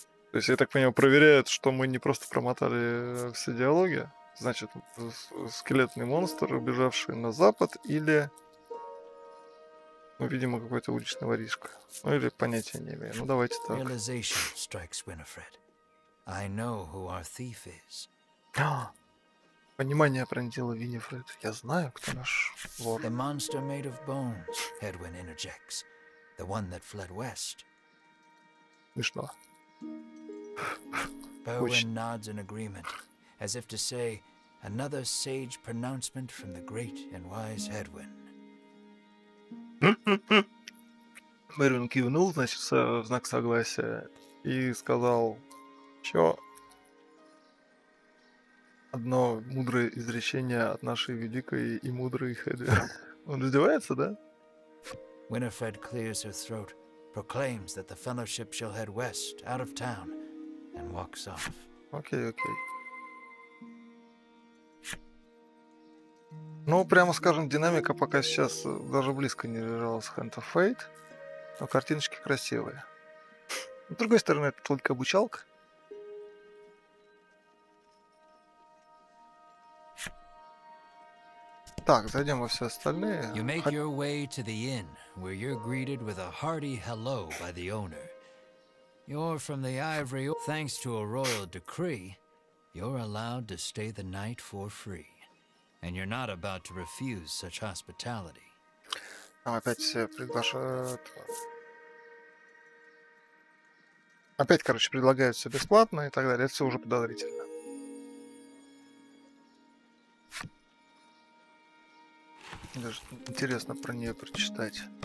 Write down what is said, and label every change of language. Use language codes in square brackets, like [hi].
[ru] То есть, я так понимаю, проверяют, что мы не просто промотали все диалоги. Значит, скелетный монстр, убежавший на запад, или, ну, видимо, какой-то уличный воришка. Ну, или понятия не имею. Ну, давайте так. [en] Realization strikes Winifred. I know who our thief is. [ru] А, Понимание пронзило Виннифред. Я знаю, кто наш вор. [en] The monster made of bones, Edwin interjects. The one that fled west. [ru] Смешно. [en] Perwin nods in agreement, as if to say, another sage pronouncement from the great and wise Edwin. [ru] Мэрвин кивнул, значит, в знак согласия, и сказал, что одно мудрое изречение от нашей великой и мудрой Хэдвин. Он издевается, да? [en] Winifred clears her throat, proclaims that the fellowship shall head west, out of town, and walks off. [ru] Окей, окей. Ну, прямо скажем, динамика пока сейчас даже близко не лежала с Hand of Fate. Но картиночки красивые. С другой стороны, это только обучалка. Так, зайдем во все остальные. [en] You make your way to the inn, where you're greeted with a hearty hello by the owner. You're from the Ivory, thanks to a royal decree, you're allowed to stay the night for free. And you're not about to refuse such hospitality. [ru] Нам опять все приглашают. Опять, короче, предлагают все бесплатно и так далее. Это все уже подозрительно. Даже интересно про нее прочитать.